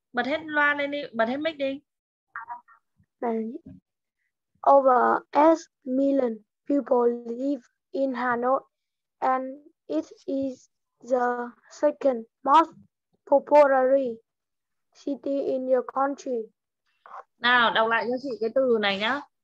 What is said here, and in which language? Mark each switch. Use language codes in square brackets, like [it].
[vi] Bật hết loa lên đi, bật hết mic đi. Đấy. [en] Over 8 million people live in Hà Nội and it is the second most popular city in your country. [vi] Nào, đọc lại cho chị cái từ này nhá.